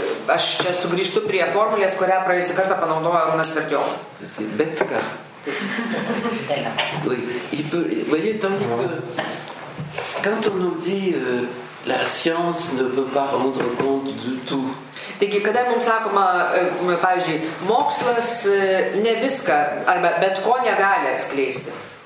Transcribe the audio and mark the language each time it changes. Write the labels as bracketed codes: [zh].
[lt] Aš čia sugrįžtu prie formulės, kurią praėjusį kartą panaudojo Arūnas Sverdiolas. Bet ką. [fr] Oui, il peut. Vous voyez, tandis que quand on nous dit la science ne peut pas rendre compte de tout. [lt] Taigi, kada mums sakoma, pavyzdžiui, mokslas ne viską arba bet ko negali atskleisti.